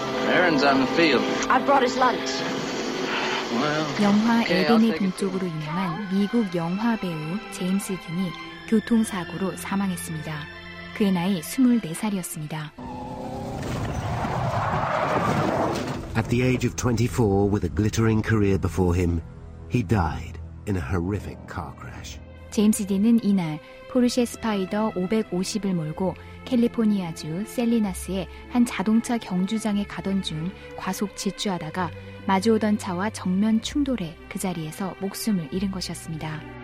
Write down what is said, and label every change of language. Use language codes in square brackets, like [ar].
[en] Aaron's on the field. I brought his lunch. [ko] 영화 에덴의 동쪽으로 유명한 미국 영화 배우 제임스 딘이 교통사고로 사망했습니다. 그의 나이 24살이었습니다. [en] At the age of 24, with a glittering career before him, he died in a horrific car crash. [ko] 제임스 딘은 이날 포르쉐 스파이더 550을 몰고 캘리포니아주 셀리나스의 한 자동차 경주장에 가던 중 과속 질주하다가 마주오던 차와 정면 충돌해 그 자리에서 목숨을 잃은 것이었습니다.